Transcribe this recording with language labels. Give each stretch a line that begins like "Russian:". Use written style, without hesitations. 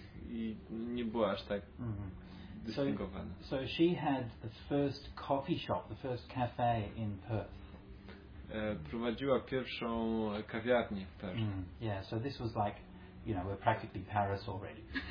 Polish: i nie było aż tak dystyngowane.
English: So she had the first coffee shop, the first cafe in Perth.
Polish: Prowadziła pierwszą kawiarnię w Perth.
English: Mm, yeah, so this was like, you know, we're practically Paris already.